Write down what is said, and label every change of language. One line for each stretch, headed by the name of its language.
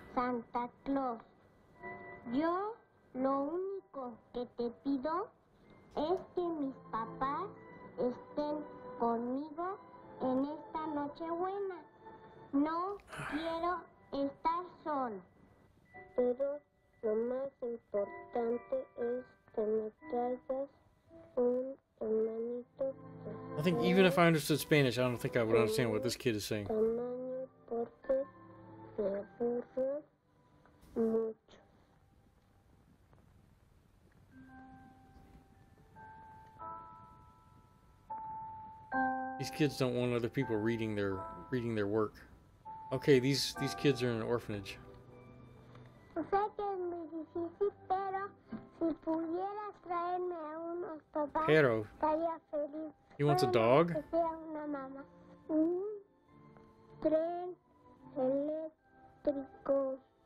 Spanish: Santa Claus, yo lo único que te pido es que mis papás estén conmigo en esta noche buena. No quiero... Estás solo. Pero lo más importante es que me traigas un hermanito.
English: I think even if I understood Spanish, I don't think I would understand what this kid is saying.
Spanish: Tamaño porque me aburro mucho.
English: These kids don't want other people reading their work. Okay, these kids are in an orphanage.
Spanish: O sea que es muy difícil, pero si pudieras traerme a unos papás, pero, estaría feliz.
English: He wants a dog?
Spanish: Que sea una mamá. Un tren eléctrico.